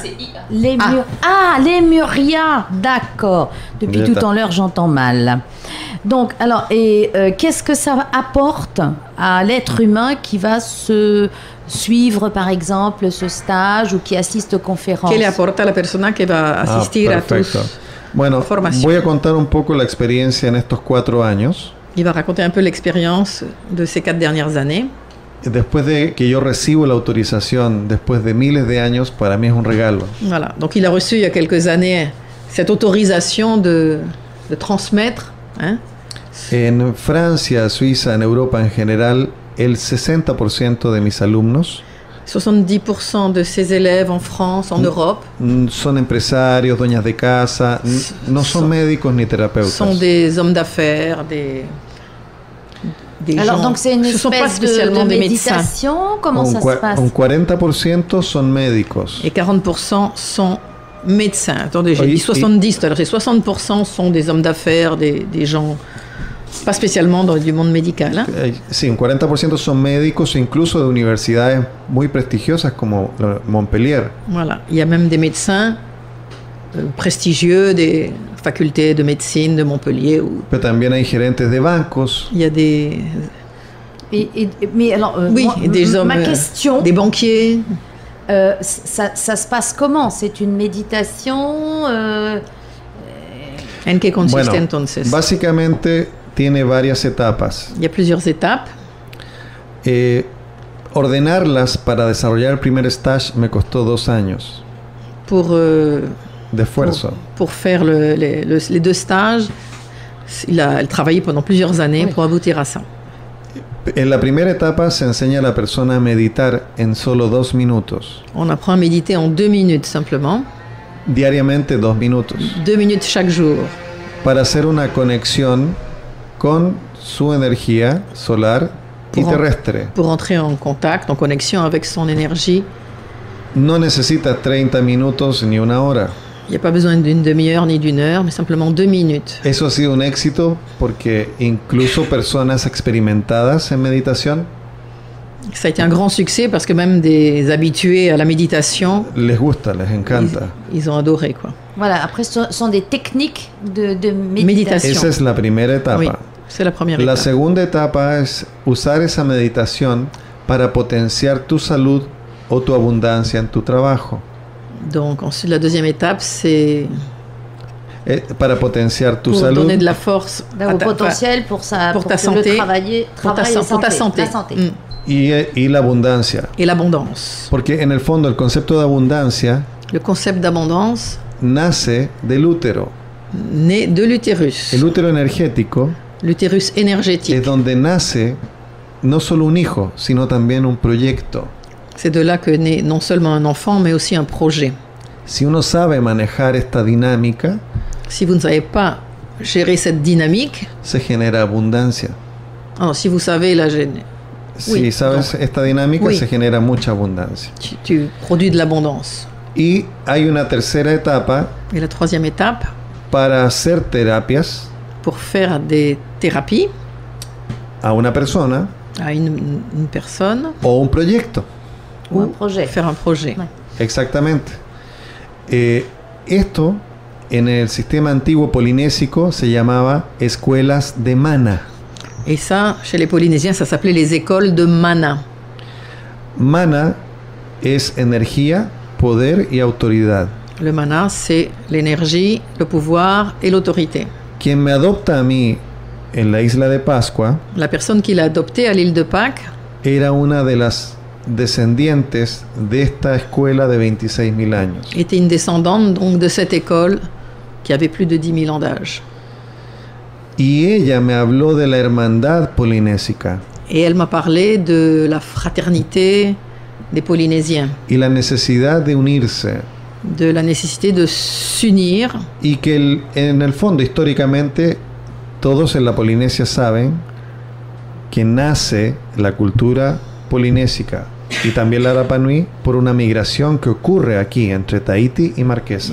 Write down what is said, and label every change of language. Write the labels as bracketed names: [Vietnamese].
[French] C'est I-A. Ah, Lemuria, d'accord. Depuis tout en l'heure, j'entends mal. Donc, alors, et qu'est-ce que ça apporte à l'être humain qui va se suivre, par exemple, ce stage ou qui assiste aux conférences? Qu'est-ce que apporte à la personne qui va assister à tous? [Spanish] Bueno, voy a contar un poco la experiencia en estos cuatro años. [French] Il va raconter un peu l'expérience de ces quatre dernières années. [Spanish] Después de que yo recibo la autorización, después de miles de años, para mí es un regalo. [French] Voilà. Donc il a reçu il y a quelques années cette autorisation de transmettre. Hein? [Spanish] En Francia, Suiza, en Europa en general, el 60% de mis alumnos. [French] 70% de ses élèves en France, en Europe. [Spanish] Son empresarios, doñas de casa, no son médicos ni terapeutas. [French] Sont des hommes d'affaires, des alors, gens. Donc c'est une espèce de méditation, comment ça se passe? [Spanish] Un 40% son médicos. [French] Et 40% sont médecins. Attendez, j'ai dit 70, alors c'est 60% sont des hommes d'affaires, des gens... Pas spécialement dans le monde médical. Hein? [Spanish] Sí, un 40% [French] sont [Spanish] médicos, incluso de universidades muy prestigiosas como Montpellier. [French] Voilà, il y a même des médecins prestigieux des facultés de médecine de Montpellier. Ou... [Spanish] Pero también hay gerentes de bancos. [French] Il y a des. Mais alors, oui, des hommes. Ma question. Des banquiers. Ça se passe comment? C'est une méditation [Spanish] En qué consiste bueno, entonces? Básicamente. Tiene varias etapas. [French] Il y a plusieurs étapes. [Spanish] Ordenarlas para desarrollar el primer stage me costó dos años. [French] Pour [Spanish] de esfuerzo. [French] Pour faire les deux stages, il a travaillé pendant plusieurs années pour aboutir à ça. [Spanish] En la primera etapa se enseña a la persona a meditar en solo dos minutos. [French] On apprend à méditer en deux minutes simplement. [Spanish] Diariamente dos minutos. [French] Deux minutes chaque jour. [Spanish] Para hacer una conexión con su energía solar y terrestre. [French] Pour entrer en contact, en connexion avec son énergie. [Spanish] No necesita 30 minutos ni una hora. [French] Il n'y a pas besoin d'une demi-heure ni d'une heure, mais simplement deux minutes. [Spanish] Eso ha sido un éxito porque incluso personas experimentadas en meditación. [French] Ça a été un grand succès parce que même des habitués à la méditation. [Spanish] Les gusta, les encanta. [French] Ils ont adoré quoi. Voilà, après ce sont des techniques de méditation. [Spanish] Esa es la primera etapa. [French] Oui, c'est la première [Spanish] étape. La segunda etapa es usar esa meditación para potenciar tu salud o tu abundancia en tu trabajo. [French] Donc ensuite la deuxième étape c'est [Spanish] para potenciar tu [French] pour [Spanish] salud. [French] Pour donner de la force au potentiel pour ça pour ta santé, pour ta santé. [Spanish] Y la abundancia. [French] Et l'abondance. [Spanish] Porque en el fondo el concepto de abundancia [French] le concept d'abondance [Spanish] nace de l'utero. [French] Né de l'utérus. [Spanish] El útero energético. [French] L'utérus énergétique. [Spanish] Es donde nace no solo un hijo, sino también un proyecto. [French] C'est de là que naît non seulement un enfant mais aussi un projet. [Spanish] Si uno sabe manejar esta dinámica, [French] si vous ne savez pas gérer cette dynamique, [Spanish] se genera abundancia. [French] Alors, si vous savez la gérer. [Spanish] Si oui, sabes donc, esta dinámica oui. Se genera mucha abundancia. [French] Tu produis de l'abondance. [Spanish] Y hay una tercera etapa. [French] Et la troisième étape. [Spanish] Para hacer terapias. [French] Pour faire des thérapies. [Spanish] A una persona. [French] A une personne. [Spanish] O un proyecto. [French] Ou un projet. Faire un projet. [Spanish] Exactamente. Esto en el sistema antiguo polinésico se llamaba escuelas de mana. [French] Et ça, chez les Polynésiens, ça s'appelait les écoles de mana. [Spanish] Mana es energía, poder y autoridad. [French] Le mana, c'est l'énergie, le pouvoir et l'autorité. [Spanish] Quien me adopta a mí en la isla de Pascua. [French] La personne qui l'a adopté à l'île de Pâques. [Spanish] Era una de las descendientes de esta escuela de 26.000 años. [French] Était une descendante donc de cette école qui avait plus de 10 000 ans d'âge. [Spanish] Y ella me habló de la hermandad polinésica. [French] Et elle m'a parlé de la fraternité des Polynésiens. [Spanish] Y la necesidad de unirse. [French] De la nécessité de s'unir. [Spanish] Y que en el fondo históricamente todos en la Polinesia saben que nace la cultura polinésica. y también la Rapa Nui por una migración que ocurre aquí entre Tahiti y Marquesa.